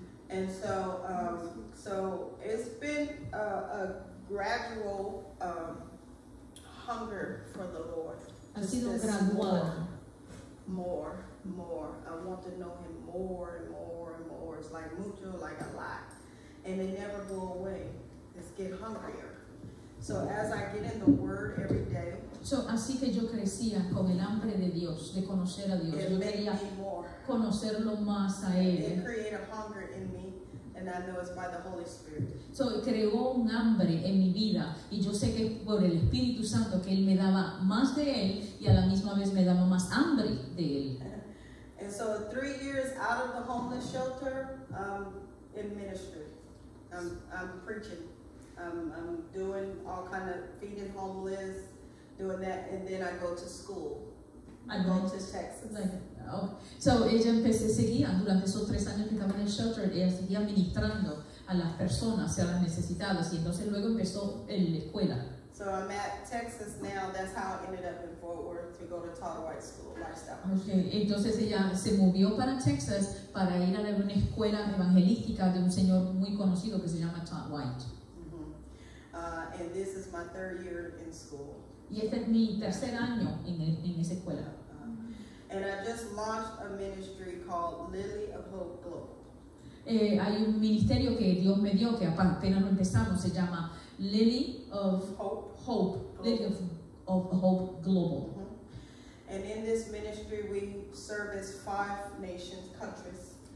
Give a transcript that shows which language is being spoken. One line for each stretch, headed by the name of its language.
English: And so it's been a gradual hunger for the Lord.
Spanish: Ha sido gradual.
English: More. I want to know him more and more. It's like mucho, like a lot. And they never go away. It's get hungrier. So as I get in the word every day.
Spanish: So así que yo crecía con el hambre de Dios, de conocer a Dios. Yo quería conocerlo más a él.
English: It created a hunger in me. And I know it's by the Holy Spirit.
Spanish: So creó un hambre en mi vida y yo sé que por el Espíritu Santo que él me daba más de él y a la misma vez me daba más hambre de él.
English: And so 3 years out of the homeless shelter, in ministry, I'm preaching, I'm doing all kind of feeding homeless, doing that, and then I go to school. I go to Texas.
Spanish: So ella empecé seguía durante esos tres años que estaba en el shelter, ella seguía ministrando a las personas, a las necesitadas, y entonces luego empezó en la escuela.
English: So I'm at Texas now. That's how I ended up in Fort Worth to go to Todd White School of Lifestyle.
Spanish: Okay, entonces ella se movió para Texas para ir a una escuela evangelística de un señor muy conocido que se llama Todd White.
English: And this is my third year in school.
Spanish: Y este es mi tercer año en esa escuela.
English: And I just launched a ministry called Lily of Hope Globe.
Spanish: Hay un ministerio que Dios me dio que apenas lo empezamos, se llama Lily of Hope.
English: Hope. Lily of Hope Global. And in this ministry we service five nations, countries.